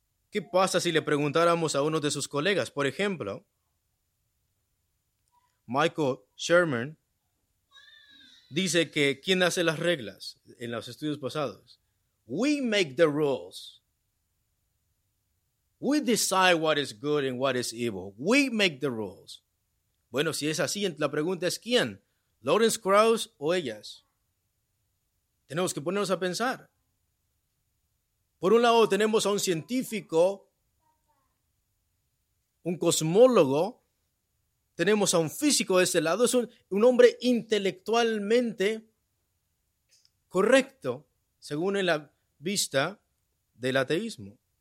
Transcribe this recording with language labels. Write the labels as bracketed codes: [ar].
[es] ¿Qué pasa si le preguntáramos a uno de sus colegas? Por ejemplo, Michael Sherman dice que, ¿quién hace las reglas en los estudios pasados? [en] We make the rules. We decide what is good and what is evil. We make the rules. [es] Bueno, si es así, la pregunta es, ¿quién? ¿Lawrence Krauss o ellas? Tenemos que ponernos a pensar. Por un lado, tenemos a un científico, un cosmólogo, tenemos a un físico de este lado, es un hombre intelectualmente correcto, según en la vista del ateísmo.